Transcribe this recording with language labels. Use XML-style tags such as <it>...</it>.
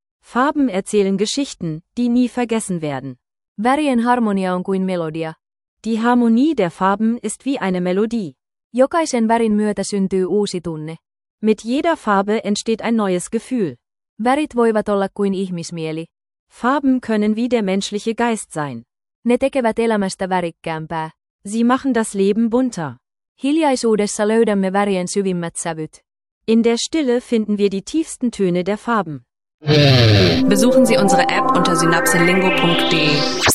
<de>Farben erzählen Geschichten, die nie vergessen werden.</de> <fi>Värien harmonia on kuin melodia.</fi> <de>Die Harmonie der Farben ist wie eine Melodie.</de> <fi>Jokaisen värin myötä syntyy uusi tunne.</fi> <de>Mit jeder Farbe entsteht ein neues Gefühl.</de> <fi>Värit voivat olla kuin ihmismieli.</fi> <de>Farben können wie der menschliche Geist sein.</de> <fi>Ne tekevät elämästä värikkäämpää.</fi> <de>Sie machen das Leben bunter.</de> <fi>Hiljaisuudessa löydämme värien syvimmät sävyt.</fi> <de>In der Stille finden wir die tiefsten Töne der Farben. Besuchen Sie unsere App unter synapsenlingo.de.</de>